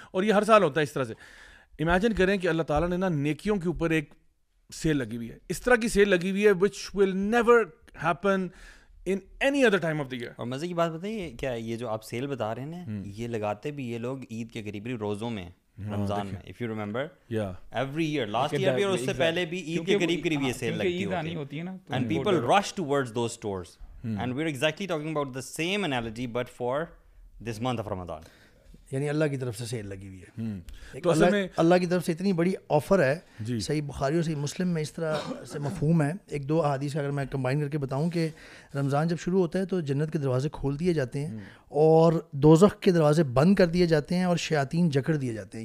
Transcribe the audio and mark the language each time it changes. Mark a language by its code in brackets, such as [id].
[ur] اور یہ ہر سال ہوتا ہے اس طرح سے. امیجن کریں کہ اللہ تعالیٰ نے نا نیکیوں کے اوپر ایک سیل لگی ہوئی ہے, اس طرح کی سیل لگی ہوئی ہے [en] Which will never happen in any other time of the year. [ur] اور مزے کی بات بتائیے کیا, یہ جو آپ سیل بتا رہے ہیں نا, یہ لگاتے بھی یہ لوگ عید کے قریب روزوں میں, رمضان میں, [en] if you remember, yeah, every year, last year [ur] بھی اور اس سے پہلے بھی عید کے قریب قریب یہ سیل لگتی ہوتی ہے نا, [en] and people rush towards those stores, and we're exactly talking about the same analogy but for this month of Ramadan. [ur] یعنی اللہ کی طرف سے سیل لگی ہوئی ہے. تو اصل میں اللہ کی طرف سے اتنی بڑی آفر ہے. صحیح بخاری اور صحیح مسلم میں اس طرح سے مفہوم ہے. ایک دو احادیث کا اگر میں کمبائن کر کے بتاؤں کہ رمضان جب شروع ہوتا ہے تو جنت کے دروازے کھول دیے جاتے ہیں اور دوزخ کے دروازے بند کر دیے جاتے ہیں اور شیاطین جکڑ دیے جاتے ہیں.